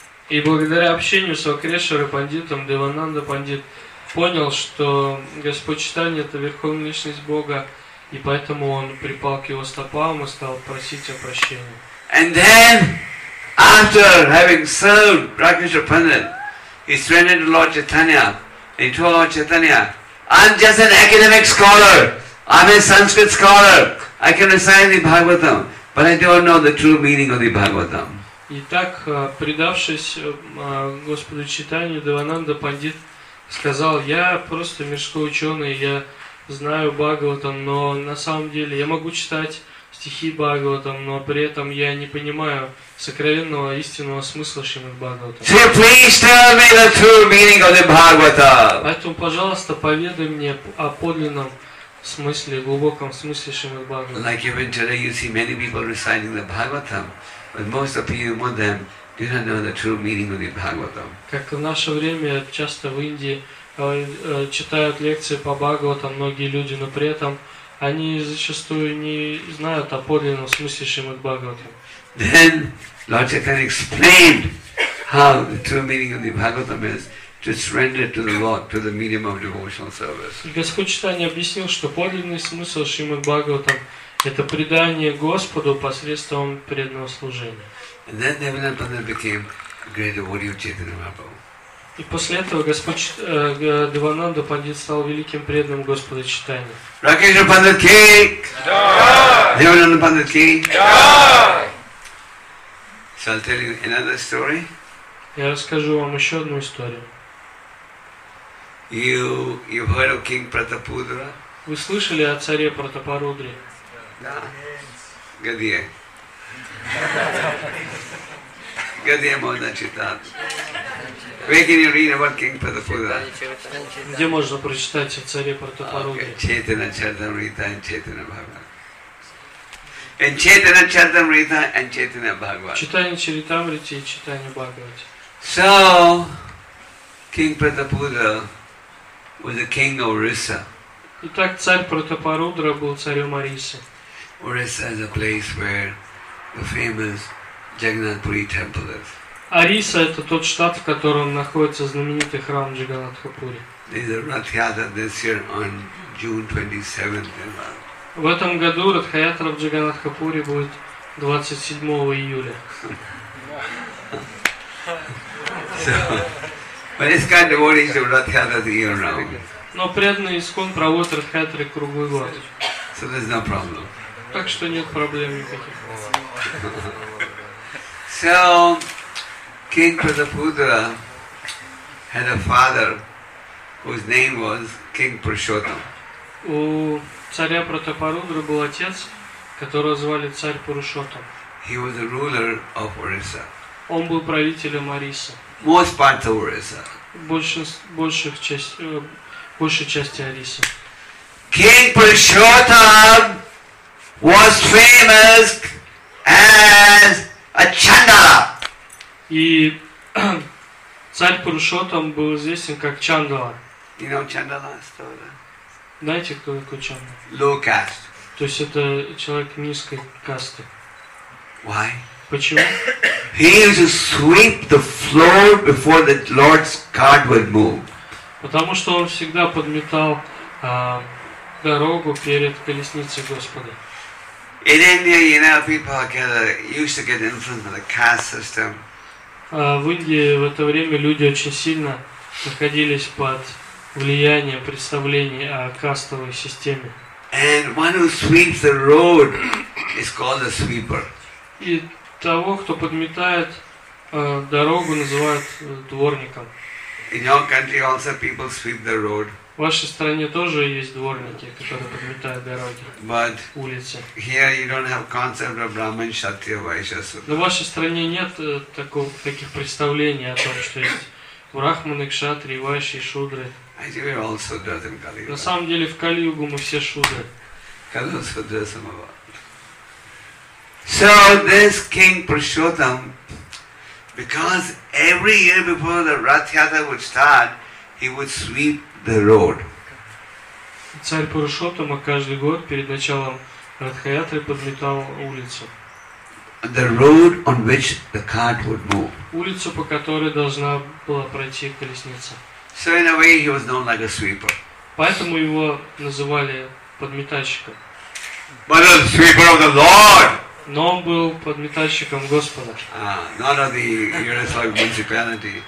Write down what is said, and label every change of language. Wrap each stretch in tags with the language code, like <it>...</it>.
<ru>И благодаря общению с Вакрешвара Пандитом, Девананда Пандит понял, что Господь Читание это верховная личность Бога, и поэтому он припал к его стопам и стал просить о прощении.</ru> <en>And then, after having served Rakesha Pandit, he surrendered to Lord Chaitanya. He told Lord Chaitanya, I'm just an academic scholar. I'm a Sanskrit scholar. I can recite the Bhagavatam, but I don't know the true meaning of the Bhagavatam.</en> <ru>И так, предавшись Господу Читанию, Девананда Пандит сказал, я просто мирской ученый, я знаю Бхагаватам, но на самом деле я могу читать стихи Бхагаватам, но при этом я не понимаю сокровенного истинного смысла Шримад Бхагаватам.</ru> <en>So please tell me the true meaning of the Bhagavatam.</en> <ru>Поэтому, пожалуйста, поведай мне о подлинном смысле, глубоком смысле Шримад Бхагаватам.</ru> <en>Like even today you see many people reciting the Bhagavatam, but most of you, among them, do not know the true meaning of the Bhagavatam.</en> <ru>Как в наше время часто в Индии читают лекции по Бхагаватам многие люди, но при этом они зачастую не знают о подлинном смысле Шримад Бхагаватам.</ru> <en>Then Lord Chaitanya explained how the true meaning of the Bhagavatam is to surrender to the Lord, to the medium of devotional service.</en> <ru>Господь Читания объяснил, что подлинный смысл Шримад Бхагаватам это предание Господу посредством преданного служения.</ru> <en>And then Devananda Pandit became a great devotee of Chaitanya Mahaprabhu.</en> <ru>И после этого Девананда Пандит стал великим преданным Господа Читания.</ru> <hi>Rakesha Pandit ki! Jai! Devananda Pandit ki! Jai!</hi> <en>So I'll tell you another story.</en> <ru>Я расскажу вам еще одну историю.</ru> <en>You've heard of King Pratapudra?</en> <ru>Вы слышали о царе Пратапарудре? Да. Гадия. Гадия можно читать.</ru> <en>Where can you read about King Pratapudra?</en> <ru>Где можно прочитать о царе Пратапарудре?</ru> <en>Chaitanya Charitamrita and Chaitanya Bhagavata. Chaitanya Charitamrita and Chaitanya Bhagavata.</en> <ru>Читание Чаритамриты и читание Бхагавата.</ru> <en>So, King Pratapudra was the king of Orissa.</en> <ru>Итак, царь Пратапарудра был царем Орисы.</ru> <en>Orissa is a place where the famous Jagannath Puri temple is.</en> <ru>Orissa – это тот штат, в котором находится знаменитый храм Джаганнатха Пури.</ru> <en>There is a Rath Yatra this year on June 27th.</en> <ru>В этом году Ратха Ятра в Джаганнатха Пури будет 27 июля.</ru> <en>So, but this kind of worries of Rath Yatra the year round.</en> <ru>Но преданный искон проводит Ратха Ятра круглый год.</ru> <en>So there's no problem.</en> <ru>Так что нет проблем никаких.</ru> <en>So, King Pratapudra had a father whose name was King Purushottam.</en> <ru>У царя Пратапарудры был отец, которого звали царь Пурушоттам.</ru> <en>He was the ruler of Orissa.</en> <ru>Он был правителем Орисы.</ru> <en>Most parts of Orissa.</en> <ru>Большей части Орисы.</ru> <en>King Purushottam was famous as a Chandala.</en> <ru>И царь Пурушоттам был известен как Чандала.</ru> <en>You know Chandala story?</en> <ru>Знаете, кто такой Чандала?</ru> <en>Low caste.</en> <ru>То есть это человек низкой касты.</ru> <en>Why?</en> <ru>Почему?</ru> <en>He used to sweep the floor before the Lord's cart would move.</en> <ru>Потому что он всегда подметал дорогу перед колесницей Господа.</ru> <en>In India, you know, people used to get influenced by the caste system.</en> <ru>В Индии в это время люди очень сильно находились под влиянием представлений о кастовой системе.</ru> <en>And one who sweeps the road is called a sweeper.</en> <ru>И того, кто подметает дорогу, называют дворником.</ru> <en>In your country also people sweep the road.</en> <ru>В вашей стране тоже есть дворники, которые подметают дороги,</ru> <en>but</en> <ru>улицы.</ru> <en>Here you don't have concept of Brahman, Kshatriya, Vaishya, Sudra.</en> <ru>Но в вашей стране нет таких представлений о том, что есть брахманы, кшатри, вайши, шудры.</ru> <en>I think we're all Sudras in Kali Yuga.</en> <ru>На самом деле в Кали-Югу мы все шудры.</ru> <sa>Kali Sudra Samava.</sa> <en>So this King Purushottam, because every year before the Rath Yatra would start, he would sweep the road.</en> <ru>Царь Пурушоттама каждый год перед началом Ратха Ятры подметал улицу.</ru> <en>The road on which the cart would move.</en> <ru>Улицу, по которой должна была пройти колесница.</ru> <en>So in a way he was known like a sweeper.</en> <ru>Поэтому его называли подметальщиком.</ru> <en>But a sweeper of the Lord.</en> <ru>Но он был подметальщиком Господа.</ru> <en>Not of the Yaroslav municipality.</en>